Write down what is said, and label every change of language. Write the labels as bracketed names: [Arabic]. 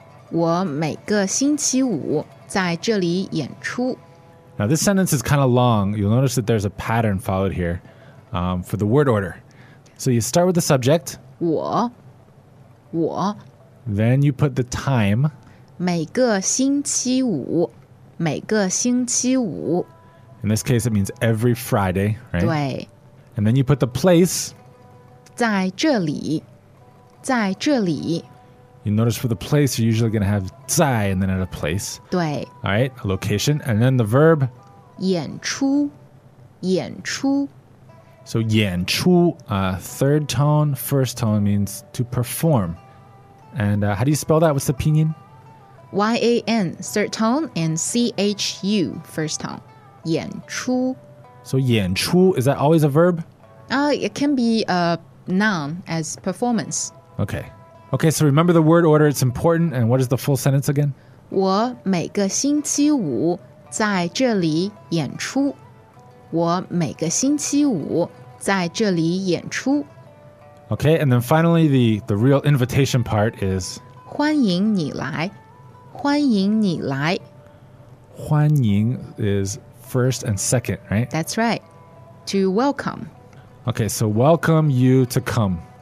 [Chinese] 我每个星期五在这里演出。 [English] Now this sentence is kind of long. You'll notice that there's a pattern followed here for the word order. So you start with the subject. [Chinese] 我我 [English] Then you put the time. [Chinese] 每个星期五每个星期五。 [English] In this case, it means every Friday, right? [Chinese] 对。 [English] And then you put the place. [Chinese] 在这里。在这里。 [English] You notice for the place, you're usually going to have 在 and then at a place. [Chinese] 对。 [English] All right, a location. And then the verb. [Chinese] 演出。演出。 [English] So 演出, third tone, first tone means to perform. And how do you spell that? What's the pinyin? Y-A-N, third tone, and C-H-U, first tone. 演出. So 演出, is that always a verb? It can be a noun as performance. Okay. Okay, so remember the word order. It's important. And what is the full sentence again? [Chinese] 我每个星期五在这里演出。我每个星期五在这里演出。 [English] Okay, and then finally, the real invitation part is [Chinese] 欢迎你来。欢迎你来。 [English] 欢迎 is first and second, right? That's right. To welcome. Okay, so welcome you to come.